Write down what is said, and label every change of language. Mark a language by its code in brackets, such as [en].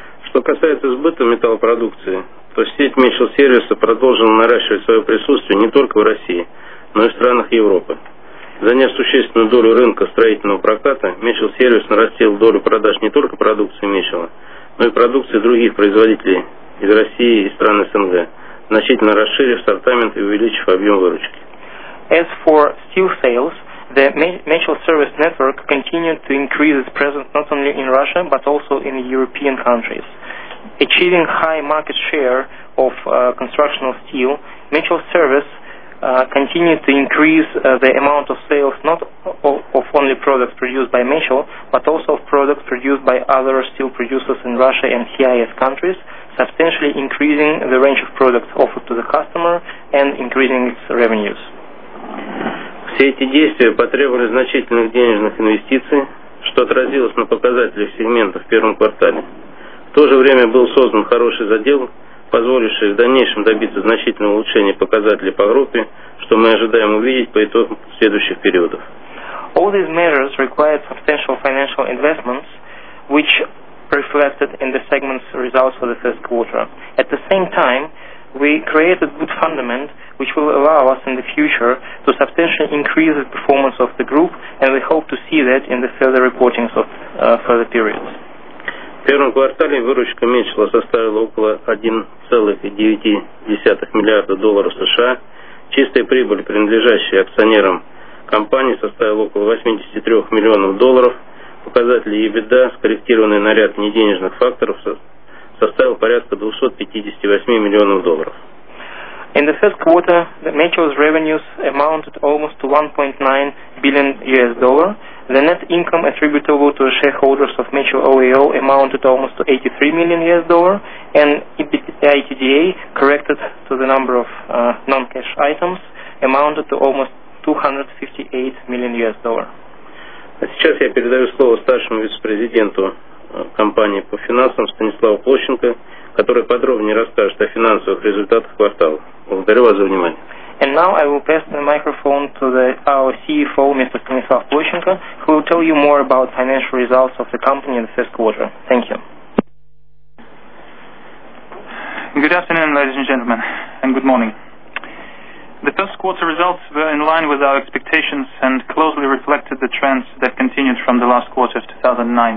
[ru] Что касается сбыта металлопродукции, то сеть Mitchell Service продолжила наращивать свое присутствие не только в России, но и в странах Европы. Заняв существенную долю рынка строительного проката, Mitchell Service нарастил долю продаж не только продукции Mitchell, но и продукции других производителей из России и стран СНГ, значительно расширив ассортимент и увеличив объем выручки. [en] As for steel sales, the Mitchell Service Network continued to increase its presence not only in Russia, but also in European countries. Achieving high market share of constructional steel, Mitchell Service continued to increase the amount of sales not of only products produced by Mitchell, but also of products produced by other steel producers in Russia and CIS countries, substantially increasing the range of products offered to the customer and increasing its revenues. [ru] Все эти действия потребовали значительных денежных инвестиций, что отразилось на показателях сегмента в первом квартале. В то же время был создан хороший задел позволившие в дальнейшем добиться значительного улучшения показателей по группе, что мы ожидаем увидеть по итогам следующих периодов. [en] All these measures required substantial financial investments, which reflected in the segment's results for the first quarter. At the same time, we created good fundament, which will allow us in the future to substantially increase the performance of the group, and we hope to see that in the further reportings of further periods. [ru] В первом квартале выручка уменьшила составила около 1,9 миллиарда долларов США. Чистая прибыль, принадлежащая акционерам компании, составила около 83 миллионов долларов. Показатели EBITDA, скорректированный на ряд неденежных факторов, составил порядка 258 миллионов долларов. [en] In the first quarter, the Metro's revenues amounted almost to $1.9 billion. The net income attributable to the shareholders of Metro OAO amounted almost to $83 million, and EBITDA, corrected to the number of non-cash items, amounted to almost $258 million. [ru] А сейчас я передаю слово старшему вице-президенту компании по финансам Станиславу Площенко, который подробнее расскажет о финансовых результатах квартала. Благодарю вас за внимание. [en] And now I will pass the microphone to our CFO, Mr. Станислав Площенко, who will tell you more about financial results of the company in the first quarter. Thank you. Good afternoon, ladies and gentlemen, and good morning. The first quarter results were in line with our expectations and closely reflected the trends that continued from the last quarter of 2009.